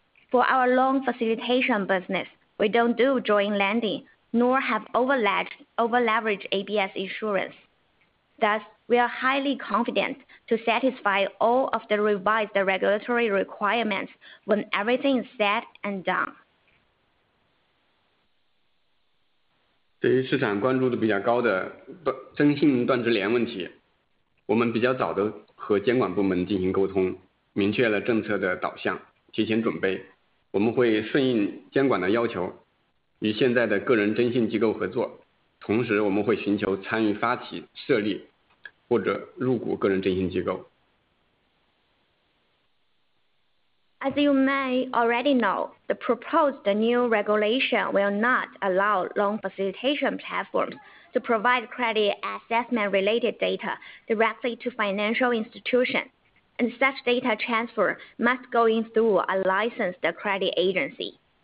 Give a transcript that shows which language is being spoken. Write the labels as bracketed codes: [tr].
[en] For our loan facilitation business, we don't do joint lending,nor have over-leveraged ABS insurance. Thus, we are highly confident to satisfy all of the revised regulatory requirements when everything is set and done. [zh] 对于市场关注度比较高的征信断直连问题，我们比较早的和监管部门进行沟通，明确了政策的导向，提前准备，我们会顺应监管的要求与现在的个人征信机构合作，同时我们会寻求参与发起、设立或者入股个人征信机构。 [en] As you may already know, the proposed new regulation will not allow loan facilitation platforms to provide credit assessment-related data directly to financial institutions, and such data transfer must go in through a licensed credit agency.